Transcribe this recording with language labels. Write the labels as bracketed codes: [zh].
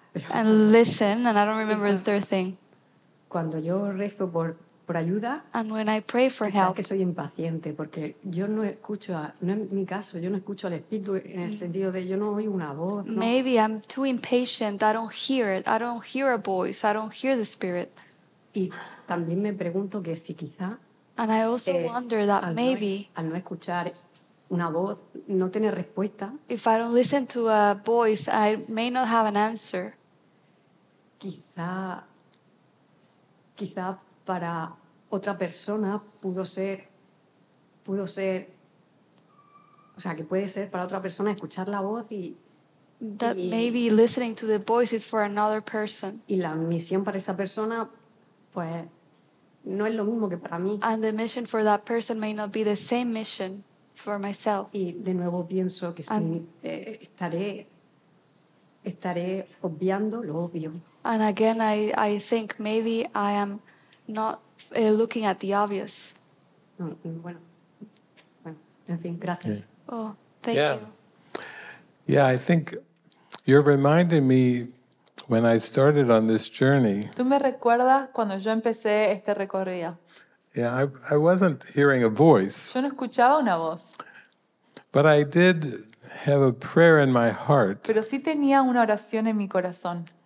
[en] And listen, and I don't remember the third thing. [es] Cuando yo rezo por ayuda. [en] And when I pray for help. [es] Que soy impaciente porque yo no escucho a, no es mi caso, yo no escucho al Espíritu en el sentido de yo no oigo una voz. No. [en] Maybe I'm too impatient. I don't hear it. I don't hear a voice. I don't hear the Spirit. [es] Y también me pregunto que si quizá [en] and I also wonder that [es] al no, [en] maybe [es] al no escuchar una voz no tiene respuesta [en] if I don't listen to a voice I may not have an answer [es] quizá para otra persona pudo ser o sea que puede ser para otra persona escuchar la voz y [en] that y, maybe listening to the voice is for another person [es] y la misión para esa persona pues no es lo mismo que para mí. [en] And the mission for that person may not be the same mission for myself. [es] Y de nuevo pienso que and, si estaré obviando lo obvio. [en] And again, I think maybe I am not looking at the obvious. [es] Bueno, en fin, gracias. [en] Yeah. Oh, thank you. Yeah, I think you're reminding me when I started on this journey, [es] ¿tú me recuerdas cuando yo empecé este recorrido? [en] Yeah, I wasn't hearing a voice. [es] Yo no escuchaba una voz. [en] But I did have a prayer in my heart. [es] Pero sí tenía una oración en mi corazón.